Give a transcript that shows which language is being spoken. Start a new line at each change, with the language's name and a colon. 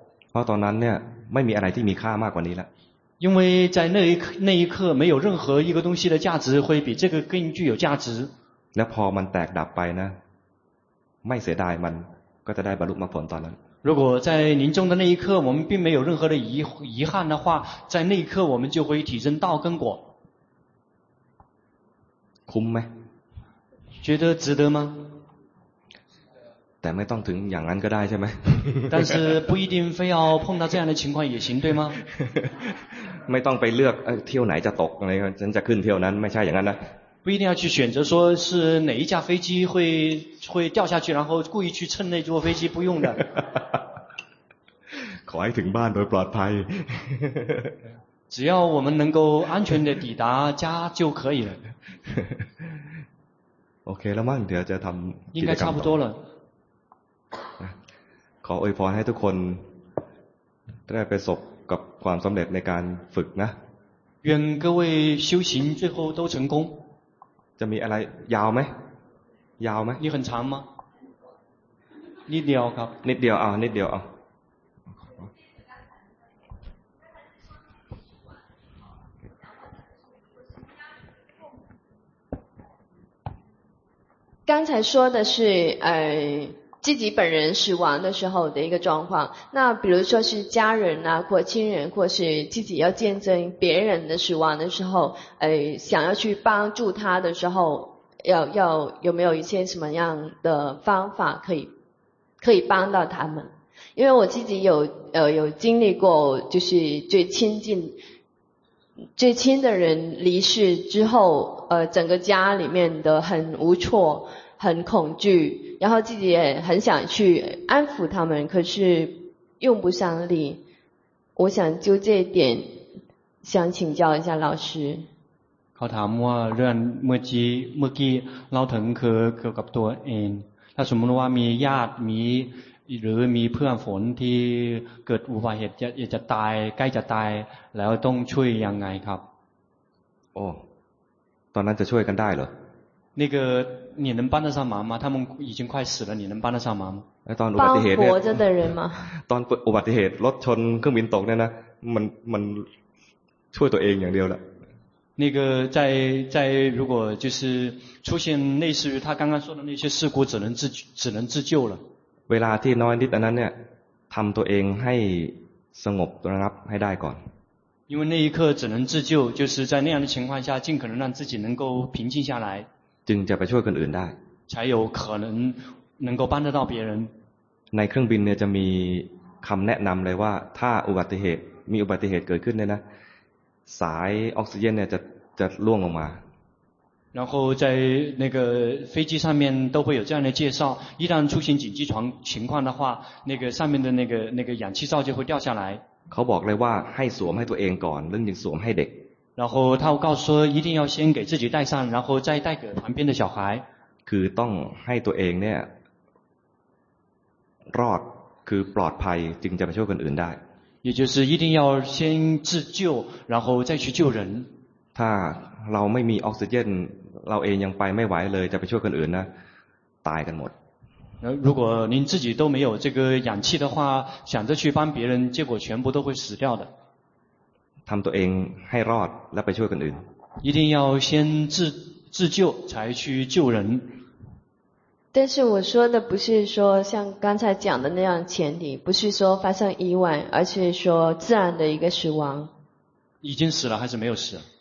Thai: เพราะตอนนั้นเนี่ยไม่มีอะไรที่มีค่ามากกว่านี้แล้ว
Chinese: 因为在那一刻没有任何一个东西的价值会比这个更具有价值
Thai: แล้วพอมันแตกดับไปนะไม่เสียดายมันก็จะได้บรรลุมรรคผลตอนนั้น
Chinese: 如果在临终的那一刻我们并没有任何的遗憾的话在那一刻我们就会体证道根果
Thai: คุ้มไหม
Chinese: 觉得值得吗
Thai: แต่ไม่ต้องถึงอย่างนั้นก็ได้ใช่ไหม
Chinese: 但是不一定非要碰到这样的情况也行对吗
Thai: ไม่ต้องไปเลือกเที่ยวไหนจะตกอะไรฉันจะขึ้นเที่ยวนั้นไม่ใช่อย่างนั้นนะ
Chinese: 不一定要去选择说是哪一架飞机会掉下去然后故意去蹭那座飞机不用的
Thai: ขอให้ถึงบ้านโดยปลอดภัย
Chinese: 只要我们能够安全的抵达家就可以了
Thai: โอเคแล้วมั้งเดี๋ยวจะทำ
Chinese: 应该差不多了
Thai: ขออวยพรให้ทุกคนได้ไปสบกับความสำเร็จในการฝึกนะ
Chinese: 愿各位修行最后都成功
Thai: จะมีอะไรยาวไหมยาวไหม
Chinese: 你很长吗
Thai: นิดเดียวครับ นิดเดียวอ่ะนิดเดียวอ่ะ
Chinese: 刚才说的是自己本人死亡的时候的一个状况那比如说是家人啊或亲人或是自己要见证别人的死亡的时候想要去帮助他的时候要有没有一些什么样的方法可以帮到他们因为我自己有经历过就是最亲的人离世之后整个家里面的很无措很恐惧然后自己也很想去安抚他们可是用不上力我想就这一点想请教一下老师
Thai: เขาถามว่าเรื่องเมื่อกี้เราถึงคือเกี่ยวกับตัวเองถ้าสมมติว่ามีญาติมีหรือมีเพื่อนฝนที่เกิดอุบัติเหตุจะตายใกล้จะตายแล้วต้องช่วยยังไงครับ โอ้ตอนนั้นจะช่วยกันได้เหรอ นี่คือ
Chinese: 你能帮得上忙吗他们已经快死了你能帮得上忙吗
Thai: ตอนอุบัติเหตุ เนี่ยตอน อุบัติเหตุรถชนเครื่องบินตกเนี่ยนะมันช่วยตัวเองอย่างเดียวแหละ
Chinese: 那个在如果就是出现类似于他刚刚说的那些事故只能自救了
Thai: เวลาที่น้อยนิดอันนั้นเนี่ยทำตัวเองให้สงบระงับให้ได้ก่อน
Chinese: 因为那一刻只能自救就是在那样的情况下尽可能让自己能够平静下来
Thai: จึงจะไปช่วยคนอื่นได้
Chinese: 才有可能能够帮得到别人
Thai: ในเครื่องบินเนี่ยจะมีคำแนะนำเลยว่าถ้าอุบัติเหตุมีอุบัติเหตุเกิดขึ้นเนี่ยนะสายออกซิเจนเนี่ยจะล่วงลงมา
Chinese: 然后在那个飞机上面都会有这样的介绍一旦出现紧急情况的话那个上面的那个氧气罩就会掉下来
Thai: เขาบอกเลยว่าให้สวมให้ตัวเองก่อนเรื่องยิงสวมให้เด็ก
Chinese: 然后他告诉说一定要先给自己戴上然后再戴给旁边的小孩
Thai: คือต้องให้ตัวเองเนี่ยรอดคือปลอดภัยจึงจะไปช่วยคนอื่นได้
Chinese: 也就是一定要先自救然后再去救人
Thai: ถ้าเราไม่มีออกซิเจนเราเองยังไปไม่ไหวเลยจะไปช่วยคนอื่นนะตายกันหมด
Chinese: 如果您自己都没有这个氧气的话想着去帮别人结果全部都会死掉的
Thai: ทำตัวเองให้รอดแล้วไปช่วยคนอื่น
Chinese: 一定要先自救才去救人但是我说的不是说像刚才讲的那样前提不是说发生意外而是说自然的一个死亡已经死了还是没有死